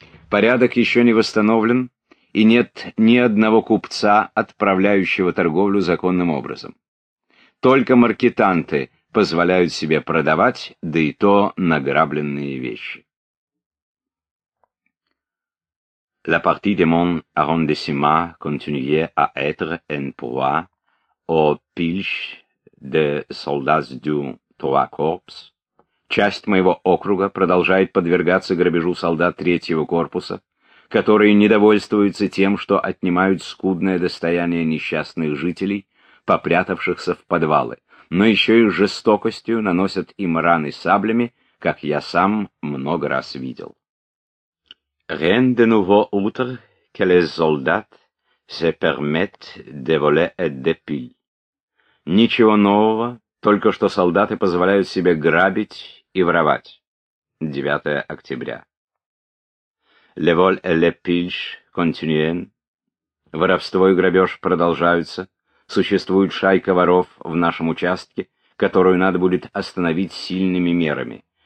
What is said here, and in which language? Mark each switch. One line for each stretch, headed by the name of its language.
Russian: Порядок еще не восстановлен, и нет ни одного купца, отправляющего торговлю законным образом. Только маркетанты позволяют себе продавать, да и то награбленные вещи.
French: La partie de mon arrondissement continuait à être en proie aux pillages de soldats du
Russian: Корпус. Часть моего округа продолжает подвергаться грабежу солдат третьего корпуса, которые недовольствуются тем, что отнимают скудное достояние несчастных жителей, попрятавшихся в подвалы, но еще и жестокостью наносят им раны саблями, как я сам много раз видел.
French: Rien de nouveau outre que les soldats se permettent de voler et de piller.
Russian: Ничего нового. Только что солдаты позволяют себе грабить и воровать. 9 октября.
French: Le vol et le pillage continuent.
Russian: Воровство и грабеж продолжаются. Существует шайка воров в нашем участке, которую надо будет остановить сильными мерами.